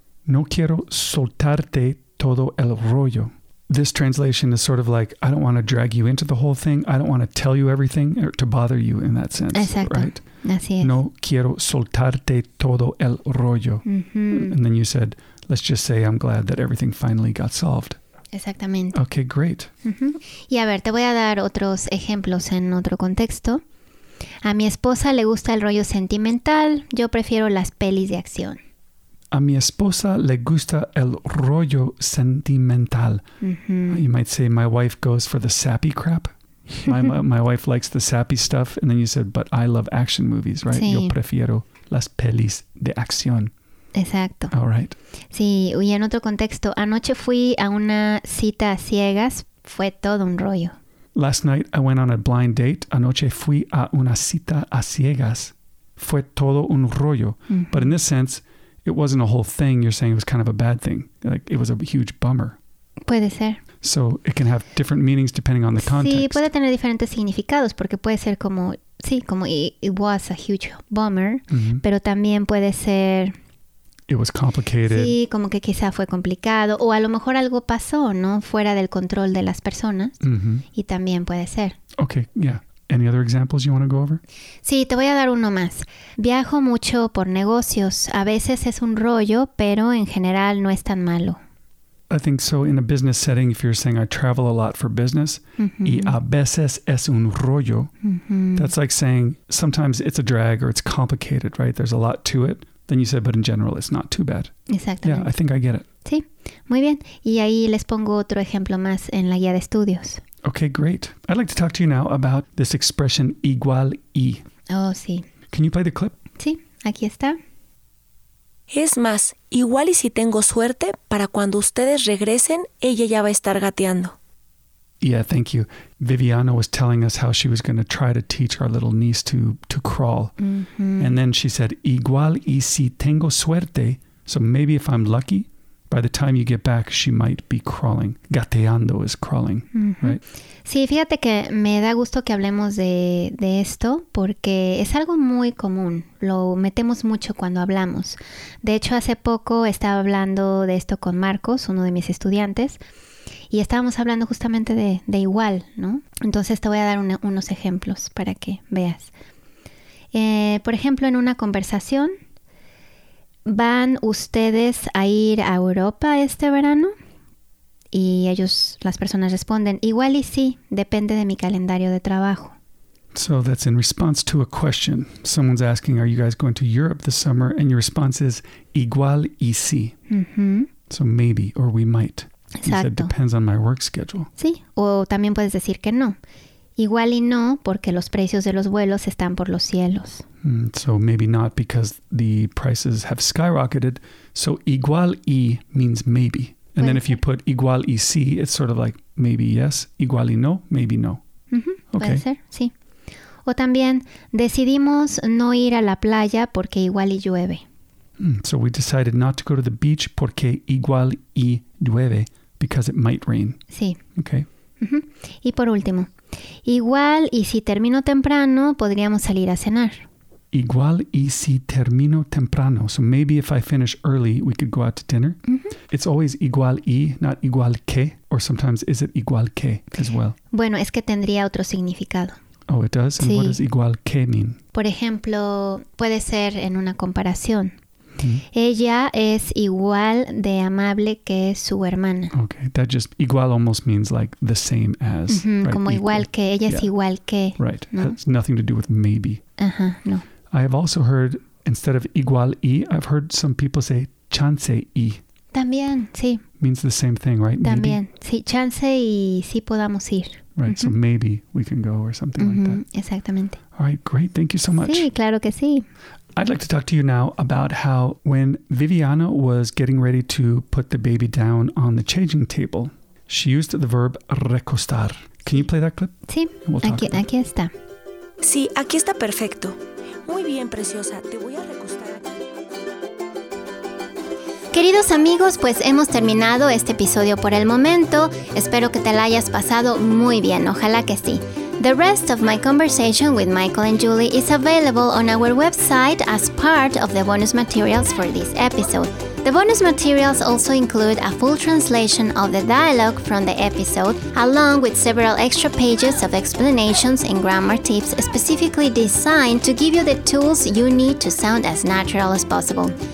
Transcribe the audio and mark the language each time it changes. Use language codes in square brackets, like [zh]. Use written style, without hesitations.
[es] No quiero soltarte todo el rollo. [en] This translation is sort of like, I don't want to drag you into the whole thing. I don't want to tell you everything or to bother you in that sense. [es] Exacto. [en] Right? [es] Así es. No quiero soltarte todo el rollo. [en] And then you said, let's just say I'm glad that everything finally got solved. [es] Exactamente. [en] Okay, great. [es] Y a ver, te voy a dar otros ejemplos en otro contexto. A mi esposa le gusta el rollo sentimental. Yo prefiero las pelis de acción. A mi esposa le gusta el rollo sentimental. [en] You might say my wife goes for the sappy crap. My wife likes the sappy stuff. And then you said, but I love action movies, right? [es] Sí. Yo prefiero las pelis de acción. Exacto. [en] All right. [es] Sí, y en otro contexto, anoche fui a una cita a ciegas. Fue todo un rollo. [en] Last night I went on a blind date. [es] Anoche fui a una cita a ciegas. Fue todo un rollo. [en] But in this sense, it wasn't a whole thing. You're saying it was kind of a bad thing. Like it was a huge bummer. [es] Puede ser. [en] So it can have different meanings depending on the context. [es] Sí, puede tener diferentes significados porque puede ser como, sí, como [en] it was a huge bummer. [es] Pero también puede ser... [en] It was complicated. [es] Sí, como que quizá fue complicado. O a lo mejor algo pasó, ¿no? Fuera del control de las personas. Y también puede ser. [en] Okay, yeah. Any other examples you want to go over? [es] Sí, te voy a dar uno más. Viajo mucho por negocios. A veces es un rollo, pero en general no es tan malo. [en] I think so. In a business setting, if you're saying I travel a lot for business, [es] y a veces es un rollo, [en] that's like saying sometimes it's a drag or it's complicated, right? There's a lot to it. Then you said, but in general, it's not too bad. [es] Exactamente. [en] Yeah, I think I get it. [es] Sí, muy bien. Y ahí les pongo otro ejemplo más en la guía de estudios. [en] Okay, great. I'd like to talk to you now about this expression, igual y. [es] Oh, sí. [en] Can you play the clip? [es] Sí, aquí está. Es más, igual y si tengo suerte, para cuando ustedes regresen, ella ya va a estar gateando. [en] Yeah, thank you. Viviana was telling us how she was going to try to teach our little niece to crawl. And then she said, [es] igual y si tengo suerte, [en] so maybe if I'm lucky, by the time you get back, she might be crawling. Gateando is crawling, right? [es] Sí, fíjate que me da gusto que hablemos de esto porque es algo muy común. Lo metemos mucho cuando hablamos. De hecho, hace poco estaba hablando de esto con Marcos, uno de mis estudiantes, y estábamos hablando justamente de igual, ¿no? Entonces te voy a dar unos ejemplos para que veas. Por ejemplo, en una conversación, ¿van ustedes a ir a Europa este verano? Y ellos, las personas responden, igual y sí, depende de mi calendario de trabajo. [en] So that's in response to a question. Someone's asking, are you guys going to Europe this summer? And your response is, igual y sí. Mm-hmm. So maybe, or we might. [es] Exacto. [en] You said, depends on my work schedule. [es] Sí, o también puedes decir que no. Igual y no, porque los precios de los vuelos están por los cielos. [en] So maybe not because the prices have skyrocketed. So igual y means maybe. And then if you put igual y sí, it's sort of like maybe yes, igual y no, maybe no. [es] Mm-hmm. Okay. Puede ser, sí. O también, decidimos no ir a la playa porque igual y llueve. [en] So we decided not to go to the beach [es] porque igual y llueve, [en] because it might rain. [es] Sí. [en] Okay. Mm-hmm. [es] Y por último, igual y si termino temprano, podríamos salir a cenar. Igual y si termino temprano. [en] So maybe if I finish early, we could go out to dinner. Mm-hmm. It's always igual y, not igual que, or sometimes is it igual que as well? [es] Bueno, es que tendría otro significado. [en] Oh, it does? [es] Sí. [en] And what does igual que mean? [es] Por ejemplo, puede ser en una comparación. Mm-hmm. Ella es igual de amable que su hermana. [en] Okay, that just, igual almost means like the same as. Mm-hmm. Right? [es] Como igual que, ella yeah. es igual que. [en] Right, [es] no? [en] That's nothing to do with maybe. Uh-huh, no. I have also heard, instead of igual y, I've heard some people say chance y. [es] También, sí. [en] Means the same thing, right? [es] También, maybe? Sí, chance y sí podamos ir. [en] Right, mm-hmm. So maybe we can go or something mm-hmm. like that. [es] Exactamente. [en] All right, great. Thank you so much. [es] Sí, claro que sí. [en] I'd like to talk to you now about how when Viviana was getting ready to put the baby down on the changing table, she used the verb recostar. Can you play that clip? [es] Sí, we'll aquí está. Sí, aquí está perfecto. Muy bien, preciosa. Te voy a recostar. Queridos amigos, pues hemos terminado este episodio por el momento. Espero que te la hayas pasado muy bien. Ojalá que sí. [en] The rest of my conversation with Michael and Julie is available on our website as part of the bonus materials for this episode. The bonus materials also include a full translation of the dialogue from the episode, along with several extra pages of explanations and grammar tips specifically designed to give you the tools you need to sound as natural as possible.